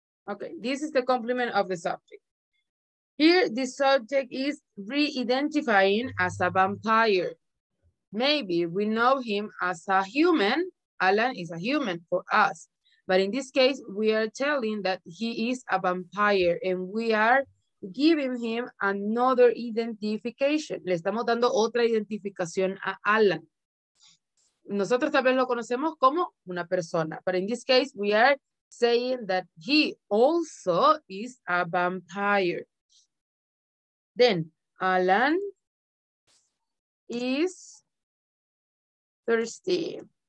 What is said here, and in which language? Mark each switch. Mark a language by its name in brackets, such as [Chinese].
[English] Okay, this is the complement of the subject. Here, the subject is re-identifying as a vampire. Maybe we know him as a human. Alan is a human for us. But in this case, we are telling that he is a vampire and we are giving him another identification. [Spanish] Le estamos dando otra identificación a Alan. Nosotros tal vez lo conocemos como una persona. [English] But in this case, we are saying that he also is a vampire. Then, Alan is thirsty.